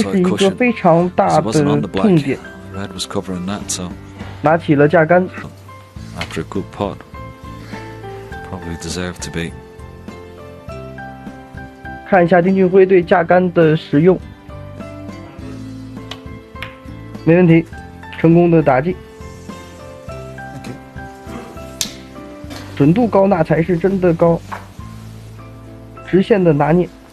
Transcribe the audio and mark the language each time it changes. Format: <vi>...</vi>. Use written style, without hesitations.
<en>side cushion.</en> <zh>这是一个非常大的痛点。</zh> <en>Red was covering that, so.</en> <zh>拿起了架杆。</zh> <en>After a good pot, probably deserved to be.</en> <zh>看一下丁俊晖对架杆的使用。没问题，成功的打进。准度高那才是真的高，直线的拿捏。</zh>